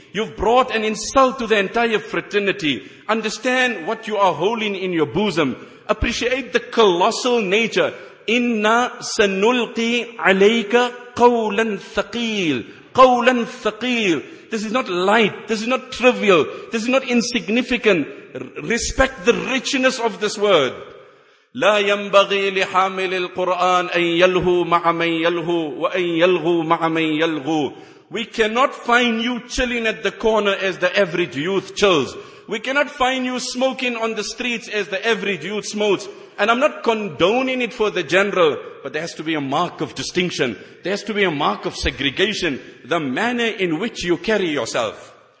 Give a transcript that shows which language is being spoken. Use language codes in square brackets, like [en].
[en] You've brought an insult to the entire fraternity. Understand what you are holding in your bosom. Appreciate the colossal nature. [ar] Inna sanulqi alayka qawlan thaqeel. Qawlan thaqeel. [en] This is not light. This is not trivial. This is not insignificant. Respect the richness of this word. [ar] لا ينبغي لحامل القرآن أن يلهو مع من يلهو وأن يلغو مع من يلغو. [en] We cannot find you chilling at the corner as the average youth chills. We cannot find you smoking on the streets as the average youth smokes. And I'm not condoning it for the general, but there has to be a mark of distinction. There has to be a mark of segregation, the manner in which you carry yourself.